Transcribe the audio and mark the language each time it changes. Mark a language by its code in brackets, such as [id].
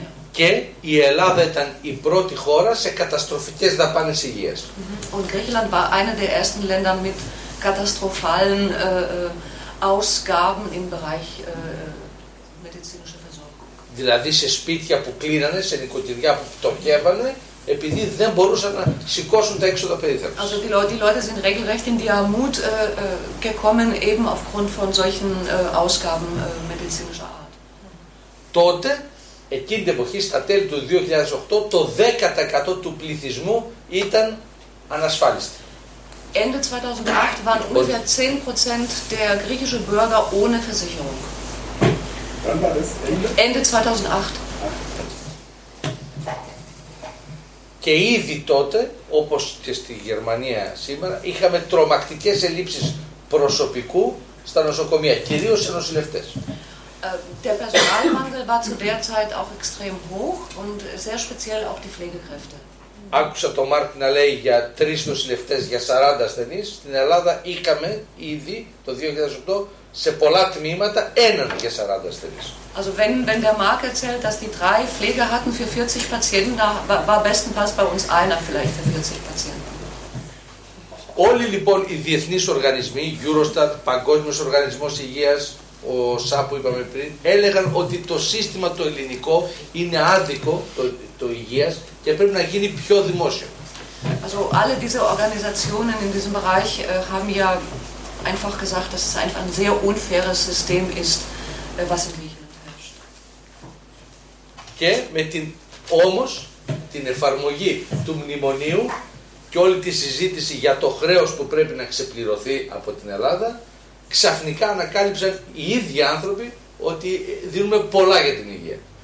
[el] Και η Ελλάδα ήταν η πρώτη χώρα σε καταστροφικές δαπάνες υγείας. [de] Und Griechenland war eine der ersten Länder mit katastrophalen Ausgaben im Bereich medizinische Versorgung. [el] Δηλαδή σε σπίτια που κλείνανε, σε νοικοκυριά που πτωχεύανε, επειδή δεν μπορούσαν να σηκώσουν τα έξοδα περίθαλψης. [de] Also die Leute sind regelrecht in die Armut gekommen, eben aufgrund von solchen Ausgaben medizinischer Art. [el] Τότε, εκείνη την εποχή, στα τέλη του 2008, το 10% του πληθυσμού ήταν ανασφάλιστοι. [de] Ende 2008 waren ungefähr 10% der griechischen Bürger ohne Versicherung. Ende 2008. [el] Και ήδη τότε, όπως και στη Γερμανία σήμερα, είχαμε τρομακτικές ελλείψεις προσωπικού στα νοσοκομεία, κυρίως οι νοσηλευτές. [de] Der Personalmangel war zu der Zeit auch extrem hoch und sehr speziell auch die Pflegekräfte. [el] Άκουσα τον Μάρκ να λέει για τρεις νοσηλευτές για 40 ασθενείς. Στην Ελλάδα είχαμε ήδη το 2008 σε πολλά τμήματα έναν για 40 ασθενείς. [de] Also wenn der Mark erzählt, dass die drei Pfleger hatten für 40 Patienten, da war bestenfalls bei uns einer vielleicht für 40 Patienten. [el] Όλοι λοιπόν οι διεθνείς οργανισμοί, Eurostat, Παγκόσμιος Οργανισμός Υγείας, ο ΣΑ που είπαμε πριν, έλεγαν ότι το σύστημα το ελληνικό είναι άδικο, το υγείας, και πρέπει να γίνει πιο δημόσιο. [de] Also alle diese Organisationen in diesem Bereich haben ja einfach gesagt, dass es einfach ein sehr unfaires System ist, was in Griechenland herrscht. [el] Και με την όμως την εφαρμογή του μνημονίου και όλη τη συζήτηση για το χρέος που πρέπει να ξεπληρωθεί από την Ελλάδα, ξαφνικά ανακάλυψαν οι ίδιοι άνθρωποι ότι δίνουμε πολλά για την υγεία.